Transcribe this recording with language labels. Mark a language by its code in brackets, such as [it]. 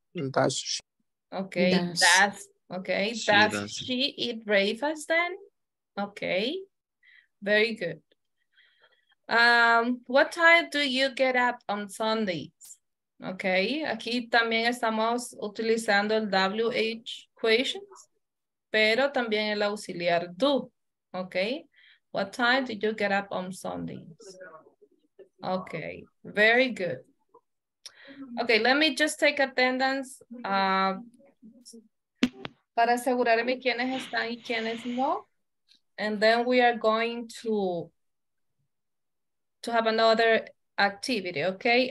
[en] Does she. Okay, does. Okay, does she eat breakfast then? Okay, very good. What time do you get up on Sundays? [es] Okay, aquí también estamos utilizando el WH questions, pero también el auxiliar do, okay? [en] What time do you get up on Sundays? Okay, very good. Okay, let me just take attendance. [es] Para asegurarme quiénes están y quiénes no. [en] And then we are going to have another activity, okay?